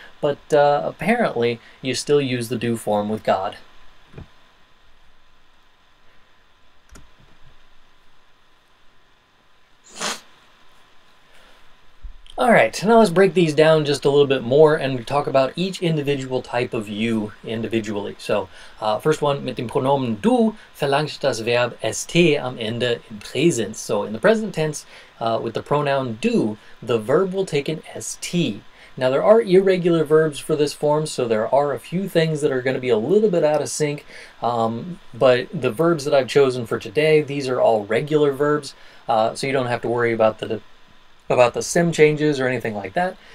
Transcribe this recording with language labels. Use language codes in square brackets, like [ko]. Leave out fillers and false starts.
[en] But apparently, you still use the do form with God. All right, now let's break these down just a little bit more and talk about each individual type of you individually. So, first one, [de] mit dem Pronomen du verlangt das Verb st am Ende in Präsens. [en] So, in the present tense, with the pronoun du, the verb will take an st. Now, there are irregular verbs for this form, so there are a few things that are going to be a little bit out of sync, but the verbs that I've chosen for today, these are all regular verbs, so you don't have to worry about the sim changes or anything like that.